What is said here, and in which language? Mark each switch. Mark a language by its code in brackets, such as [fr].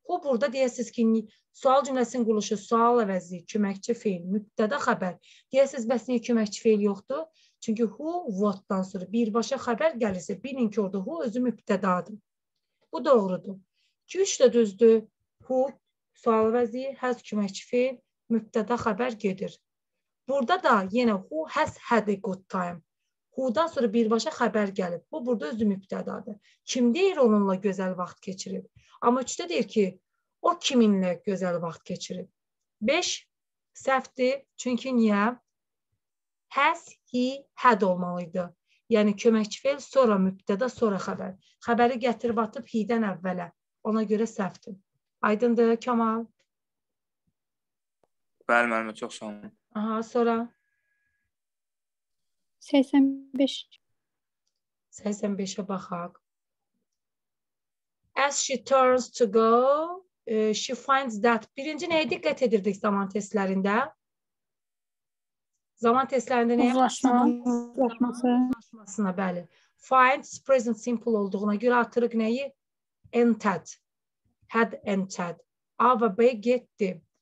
[az] Bu, burada deyəsiz ki, sual cümləsinin quruluşu, sual əvəzi, köməkçi fiil, mübtədə xəbər. Deyəsiz, bəs niyə köməkçi fiil yoxdur? Çünki who, what-dan sonra birbaşa xəbər gəlirsə, bilin ki, orada who özü mübtədadır. Bu, doğrudur. İki, üç də düzdü. Who, sual əvəzi, has köməkçi fiil, mübtədə xəbər gedir. Burada da yenə [en] who has had a good time. [az] Who-dan sonra birbaşa xəbər gəlib. Bu, burada özü mübtədadır. Kim deyir onunla gözəl vaxt keçirib? Amma üçdə deyir ki, o kiminlə gözəl vaxt keçirib? Beş, səhvdir. Çünki niyə? Has, he, had olmalıydı. Yəni, köməkçi fiil sonra mübtədə, sonra xəbər. Xəbəri gətirib atıb he-dən əvvələ. Ona görə səhvdir. Aydındır, Kemal? Bəli, mənim, çox sağ olun. Aha, sonra? 85. 85-ə baxaq. [en] As she turns to go, she finds that. [az] Birinci nəyə diqqət edirdik zaman testlərində? Zaman testlərində nəyə? Uzlaşmasına, bəli. Finds present simple olduğuna görə atırıq nəyi? Entered. Had entered. A və B getdi.